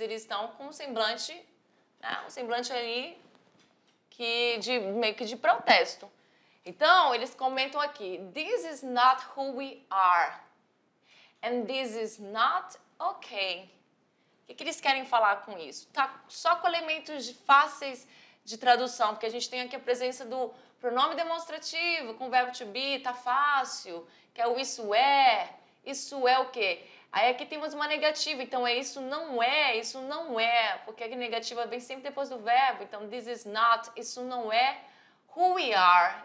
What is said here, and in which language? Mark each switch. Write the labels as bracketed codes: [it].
[pt] Eles estão com um semblante ali que de, meio que de protesto. Então, eles comentam aqui, [en] "This is not who we are, and this is not okay." [pt] O que, que eles querem falar com isso? Tá só com elementos fáceis de tradução, porque a gente tem aqui a presença do pronome demonstrativo, com o verbo to be, tá fácil, que é o isso é o quê? Aí aqui temos uma negativa, então é isso não é, porque a negativa vem sempre depois do verbo, então [en] this is not, [pt] isso não é, [en] who we are.